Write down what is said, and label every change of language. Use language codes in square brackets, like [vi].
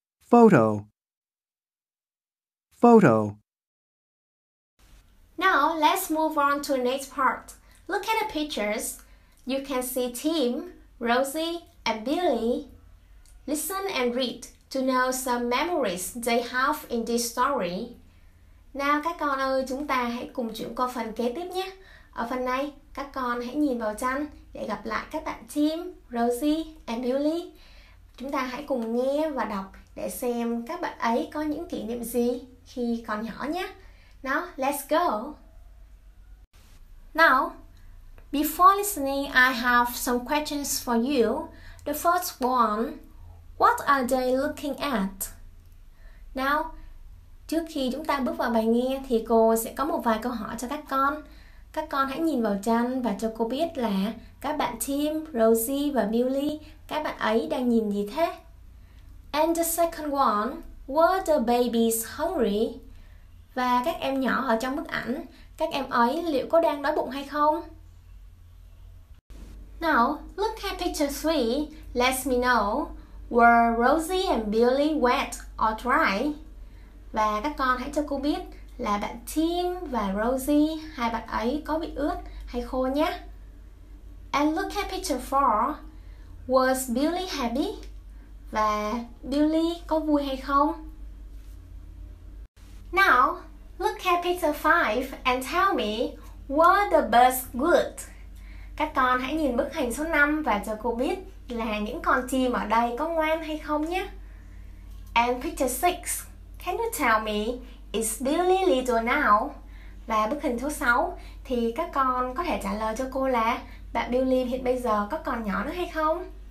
[en] Photo. Photo. Now let's move on to the next part. Look at the pictures. You can see Tim, Rosie, and Billy. Listen and read to know some memories they have in this story. [vi] Nào các con ơi, chúng ta hãy cùng chuyển qua phần kế tiếp nhé. Ở phần này, các con hãy nhìn vào tranh để gặp lại các bạn Tim, Rosie and Billy. Chúng ta hãy cùng nghe và đọc để xem các bạn ấy có những kỷ niệm gì khi còn nhỏ nhé. [en] Now, let's go. Now, before listening, I have some questions for you. The first one, what are they looking at? [vi] Now, trước khi chúng ta bước vào bài nghe thì cô sẽ có một vài câu hỏi cho các con. Các con hãy nhìn vào tranh và cho cô biết là các bạn Tim, Rosie và Billy, các bạn ấy đang nhìn gì thế? [en] And the second one, were the babies hungry? [vi] Và các em nhỏ ở trong bức ảnh, các em ấy liệu có đang đói bụng hay không? [en] Now, look at picture 3. Let me know, were Rosie and Billy wet or dry? [vi] Và các con hãy cho cô biết là bạn Tim và Rosie, hai bạn ấy có bị ướt hay khô nhé. [en] And look at picture 4. Was Billy happy? [vi] Và Billy có vui hay không? [en] Now, look at picture 5 and tell me, were the birds good? [vi] Các con hãy nhìn bức hình số 5 và cho cô biết là những con chim ở đây có ngoan hay không nhé. [en] And picture 6. Can you tell me, is Billy little now? [vi] Và bức hình số 6 thì các con có thể trả lời cho cô là bạn Billy hiện bây giờ có còn nhỏ nữa hay không?